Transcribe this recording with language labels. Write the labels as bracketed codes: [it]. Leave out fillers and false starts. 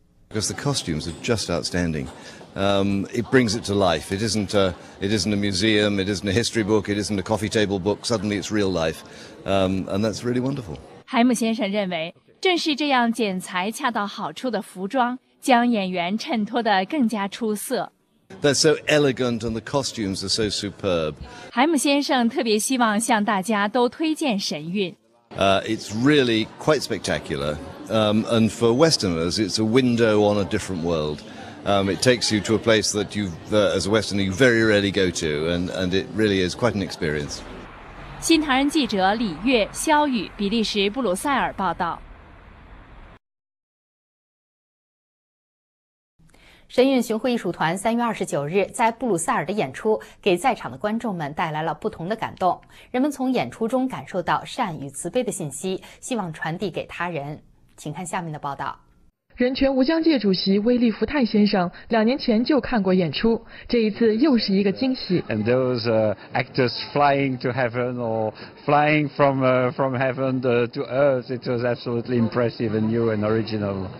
[en] Because the costumes are just outstanding. It brings it to life. It isn't a museum, it isn't a history book, it isn't a coffee table book. Suddenly it's real life. And that's really wonderful. [zh] 海姆先生认为，正是这样剪裁恰到好处的服装，将演员衬托得更加出色。 [en] They're so elegant and the costumes are so superb. [zh] 海姆先生特别希望向大家都推荐神韵。 [en] It's really quite spectacular. And for Westerners, it's a window on a different world. It takes you to a place that as a Westerner, you very rarely go to, and it really is quite an experience. [zh] 新唐人记者李月、肖宇，比利时布鲁塞尔报道。神韵巡回艺术团3月29日在布鲁塞尔的演出，给在场的观众们带来了不同的感动。人们从演出中感受到善与慈悲的信息，希望传递给他人。请看下面的报道。人权无疆界主席威利福泰先生两年前就看过演出，这一次又是一个惊喜。 [en] And those actors flying to heaven or flying from heaven to earth, it was absolutely impressive and new and original.